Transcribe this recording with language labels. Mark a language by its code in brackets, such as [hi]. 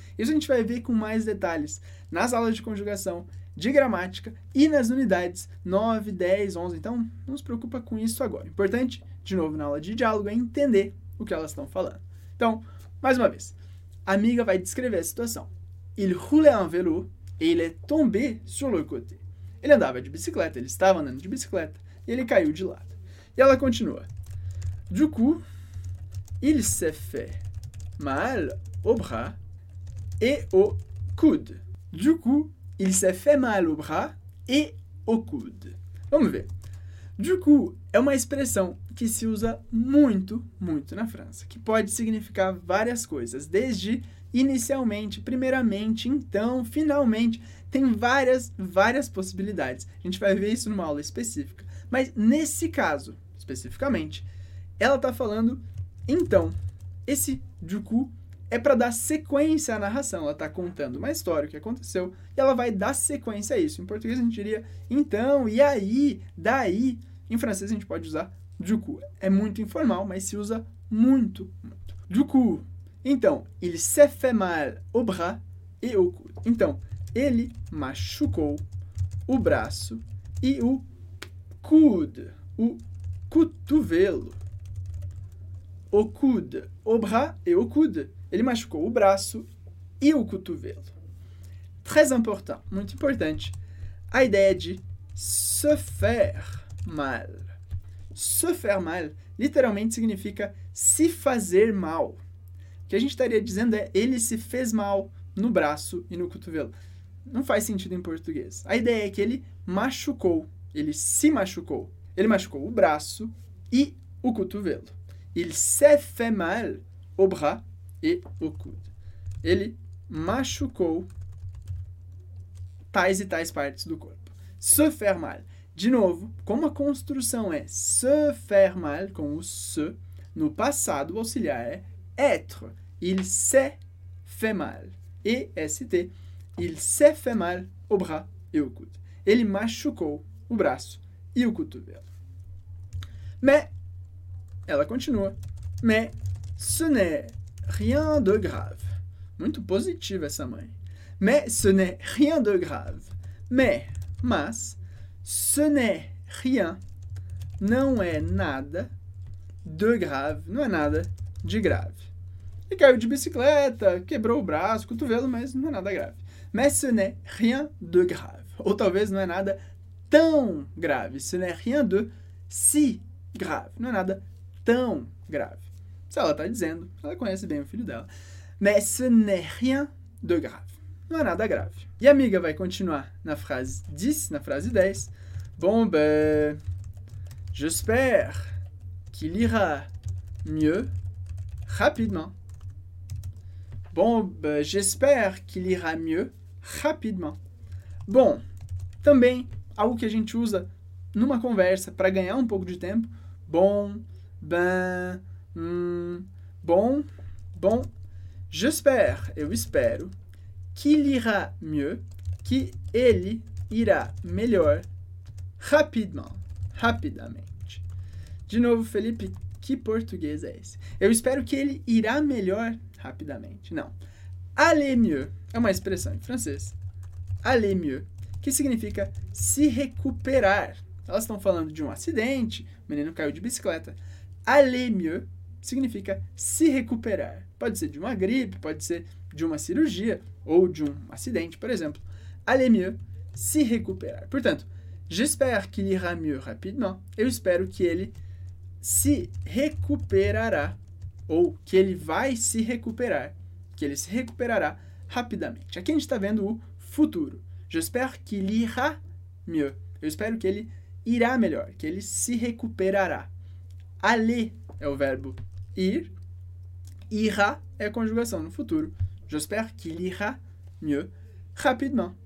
[pt] Isso a gente vai ver com mais detalhes nas aulas de conjugação, de gramática e nas unidades 9, 10, 11. Então, não se preocupa com isso agora. Importante, de novo, na aula de diálogo, é entender o que elas estão falando. Então, mais uma vez, a amiga vai descrever a situação. [fr] Il roulait un vélo et il est tombé sur le côté. [pt] Ele andava de bicicleta, ele estava andando de bicicleta e ele caiu de lado. E ela continua. [fr] Du coup, il s'est fait mal au bras et au coude. Du coup, il s'est fait mal au bras et au coude. [pt] Vamos ver. Du coup é uma expressão que se usa muito, muito na França, que pode significar várias coisas, desde inicialmente, primeiramente, então, finalmente, tem várias, várias possibilidades. A gente vai ver isso numa aula específica. Mas nesse caso, especificamente, ela está falando então. Esse du coup é para dar sequência à narração. Ela está contando uma história, o que aconteceu, e ela vai dar sequência a isso. Em português, a gente diria, então, e aí, daí. Em francês, a gente pode usar du coup. É muito informal, mas se usa muito, muito. [fr] Du coup. [pt] Então, [fr] il s'est fait mal au bras et au coude. [pt] Então, ele machucou o braço e o coude, o cotovelo. O coude, [fr] au bras et au coude. [pt] Ele machucou o braço e o cotovelo. [fr] très important, [pt] muito importante, a ideia de se faire mal. Se faire mal literalmente significa se fazer mal. O que a gente estaria dizendo é ele se fez mal no braço e no cotovelo. Não faz sentido em português. A ideia é que ele machucou, ele se machucou. Ele machucou o braço e o cotovelo. [fr] Il s'est fait mal au bras et au coude. [pt] Ele machucou tais e tais partes do corpo. Se faire mal. De novo, como a construção é se faire mal com o se, no passado o auxiliar é être. [fr] Il s'est fait mal. E-S-T. Il s'est fait mal au bras et au coude. [pt] Ele machucou o braço e o cotovelo. Mais, ela continua. [fr] Mais, ce n'est rien de grave. [pt] Muito positiva essa mãe. [fr] Mais, ce n'est rien de grave. [pt] Mas, [fr] ce n'est rien. [pt] Não é nada de grave. Não é nada de grave. E caiu de bicicleta, quebrou o braço, cotovelo, mas não é nada grave. [fr] Mais ce n'est rien de grave. [pt] Ou talvez não é nada tão grave. [fr] Ce n'est rien de si grave. [pt] Não é nada tão grave. Isso ela está dizendo. Ela conhece bem o filho dela. [fr] Mais ce n'est rien de grave. [pt] Não é nada grave. E a amiga vai continuar na frase 10, na frase 10. [fr] Bon, ben, j'espère qu'il ira mieux rapidement. Bon, ben, j'espère qu'il ira mieux rapidement. [pt] Bom, também algo que a gente usa numa conversa para ganhar um pouco de tempo. [fr] Bon, ben, bon. J'espère, [pt] eu espero, [fr] qu'il ira mieux, [pt] que ele irá melhor [fr] rapidement, [pt] rapidamente. De novo, Felipe, que português é esse? Eu espero que ele irá melhor rapidamente. Não. Aller mieux é uma expressão em francês. Aller mieux, que significa se recuperar. Elas estão falando de um acidente, o menino caiu de bicicleta. Aller mieux significa se recuperar. Pode ser de uma gripe, pode ser de uma cirurgia ou de um acidente, por exemplo. Aller mieux, se recuperar. Portanto, [fr] j'espère qu'il ira mieux rapidement. [pt] Eu espero que ele se recuperará ou que ele vai se recuperar, que ele se recuperará rapidamente. Aqui a gente está vendo o futuro. [fr] J'espère qu'il ira mieux. [pt] Eu espero que ele irá melhor, que ele se recuperará. Aller é o verbo ir. Ira é a conjugação no futuro. [fr] J'espère qu'il ira mieux rapidement.